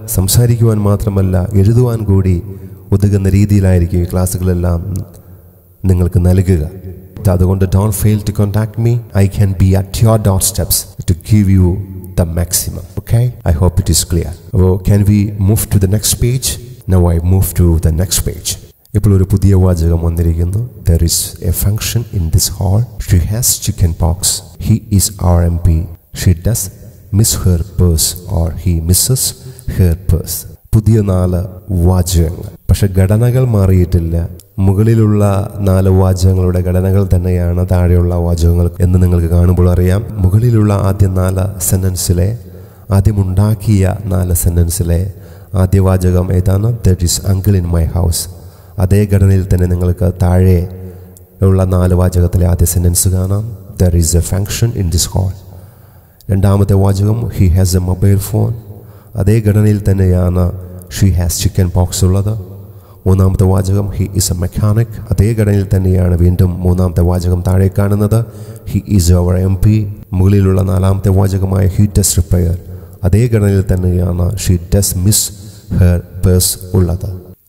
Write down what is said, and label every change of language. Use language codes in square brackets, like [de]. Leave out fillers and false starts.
[ml] സംസാരിക്കുവാൻ മാത്രമല്ല, എഴുതുവാൻ കൂടി ഒതുങ്ങുന്ന രീതിയിലായിരിക്കും ഈ ക്ലാസ്സുകളെല്ലാം നിങ്ങൾക്ക് നൽകുക. [en] അതുകൊണ്ട് don't fail to contact me. I can be at your door steps to give you the maximum. Okay, I hope it is clear. അപ്പോൾ can we move to the next page? Now I move to the next page. [ml] ഇപ്പോൾ ഒരു പുതിയ വാചകം വന്നിരിക്കുന്നു. [en] There is a function in this hall. She has chicken pox. He is RMP. She does miss her purse or he misses her purse. [ml] പുതിയ നാല് വാചകങ്ങൾ, പക്ഷെ ഘടനകൾ മാറിയിട്ടില്ല. മുകളിലുള്ള നാല് വാചകങ്ങളുടെ ഘടനകൾ തന്നെയാണ് താഴെയുള്ള വാചകങ്ങൾ എന്ന് നിങ്ങൾക്ക് കാണുമ്പോൾ അറിയാം. മുകളിലുള്ള ആദ്യ നാല് സെന്റൻസിലെ, ആദ്യമുണ്ടാക്കിയ നാല് സെന്റൻസിലെ ആദ്യ വാചകം ഏതാണ്? [en] There is uncle in my house. [ml] അതേ ഘടനയിൽ തന്നെ നിങ്ങൾക്ക് താഴെ ഉള്ള നാല് വാചകത്തിലെ ആദ്യ സെന്റൻസ് കാണാം. [en] There is a function in this hall. [ml] രണ്ടാമത്തെ വാചകം, [en] He has a mobile phone. [ml] അതേ ഘടനയിൽ തന്നെയാണ് [en] she has chicken pox [ml] ഉള്ളത്. മൂന്നാമത്തെ വാചകം, [en] He is a mechanic. [ml] അതേ ഘടനയിൽ തന്നെയാണ് വീണ്ടും മൂന്നാമത്തെ വാചകം താഴെ കാണുന്നത്. [en] He is our M P. [ml] മുകളിലുള്ള നാലാമത്തെ വാചകമായ [en] he does repair, [ml] അതേ ഘടനയിൽ തന്നെയാണ് [en] she does miss her purse [ml] ഉള്ളത്.